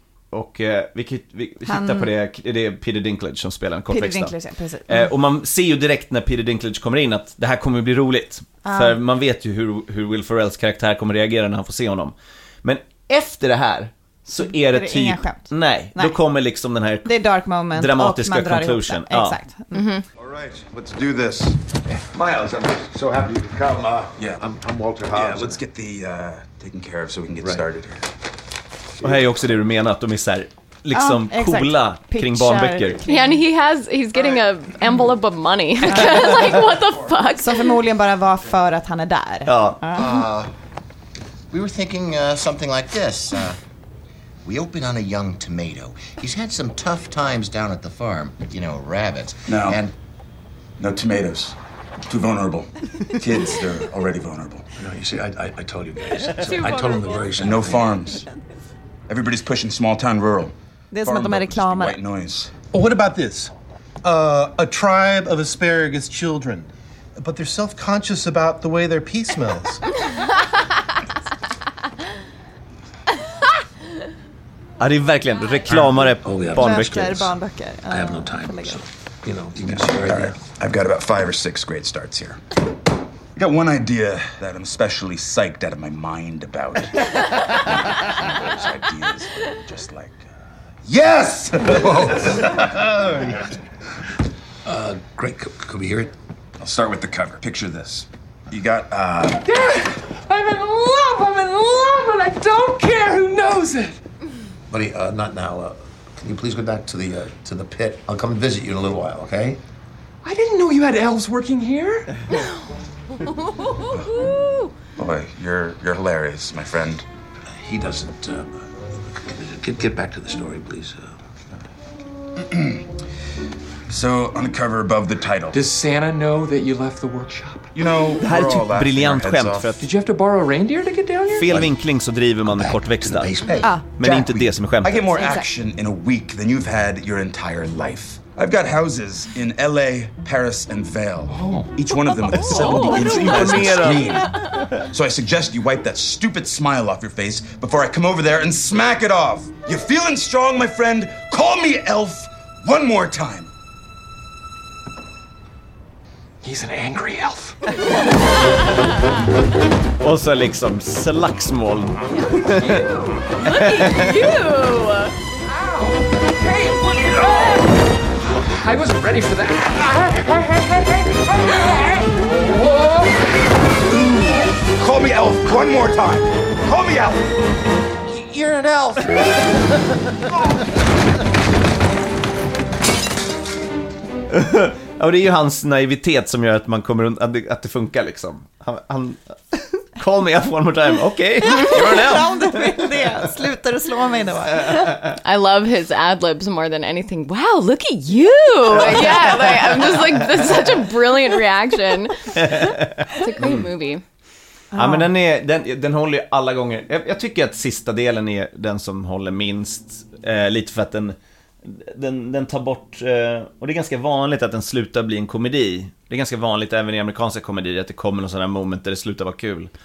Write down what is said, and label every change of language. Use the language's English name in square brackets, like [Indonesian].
[Swedish] Och vi tittar på det. Det är Peter Dinklage som spelar en kortväxta. Och man ser ju direkt när Peter Dinklage kommer in att det här kommer bli roligt. För man vet ju hur Will Ferrells karaktär kommer reagera när han får se honom. Men efter det här så är det typ... Inga skämt. Nej, då kommer liksom den här [English] dark moment, [Swedish] dramatiska conclusion. Ja. Exakt. [English] Mm-hmm. All right, let's do this. Miles, I'm so happy you could come. Yeah, I'm Walter Hobbs. Yeah, let's get the taken care of so we can get started here. [Swedish] Och här är också det du menar, att de är så här, liksom coola kring barnböcker. [English] Yeah, and he's getting an envelope of money. Like, what the fuck? [Swedish] Som förmodligen bara var för att han är där. Ja. [English] We were thinking something like this. We open on a young tomato. He's had some tough times down at the farm. You know, rabbits. No. And no tomatoes. Too vulnerable. Kids, they're already vulnerable. No, you see, I told you guys. So I told them the very same. No farms. Everybody's pushing small town rural. [Swedish] Det är som att de är reklamer. [English] White noise. Oh, what about this? A tribe of asparagus children, but they're self-conscious about the way their pee smells. [Swedish] Ja, det är verkligen reklamare på barnböcker. [English] I have no time. So, you know, you can I've got about 5 or 6 great starts here. I got one idea that I'm especially psyched out of my mind about. Those ideas are just like, yes! Great, could we hear it? I'll start with the cover. Picture this. You got, I'm in love, and I don't care who knows it! Buddy, not now. Can you please go back to the pit? I'll come visit you in a little while, okay? I didn't know you had elves working here. Boy, you're hilarious, my friend. He doesn't. Get back to the story, please. So on the cover above the title. Does Santa know that you left the workshop? You know, [Swedish] det här är typ briljant skämt. [English] Did you have to borrow a reindeer to get down here? [Swedish] Fel vinkling så driver man kortväxta. Ah, men Jack, inte det som är skämtet. [English] I get more action in a week than you've had your entire life. I've got houses in L.A., Paris, and Vail. Each one of them with a 70-inch screen. So I suggest you wipe that stupid smile off your face before I come over there and smack it off. You feeling strong, my friend? Call me Elf one more time. He's an angry elf. [Swedish] Och så liksom slagsmål. [English] Look at you. Ow. Hey, look at you. I wasn't ready for that. Call me elf one more time. Call me elf. You're an elf. [Swedish] Ja, det är ju hans naivitet som gör att man kommer runt, att det funkar liksom. [English] Han call me up one more time. [Swedish] Okej. [English] Okay. [Swedish] Om du vill det, sluta du slå mig då. [English] I love his adlibs more than anything. Wow, look at you. Yeah, like, I'm just like, that's such a brilliant reaction. It's a great movie. [Swedish] Ja, men den håller ju alla gånger. Jag tycker att sista delen är den som håller minst, lite för att den tar bort, och det är ganska vanligt att den slutar bli en komedi. Det är ganska vanligt även i amerikanska komedier att det kommer någon sån här moment där det slutar vara kul.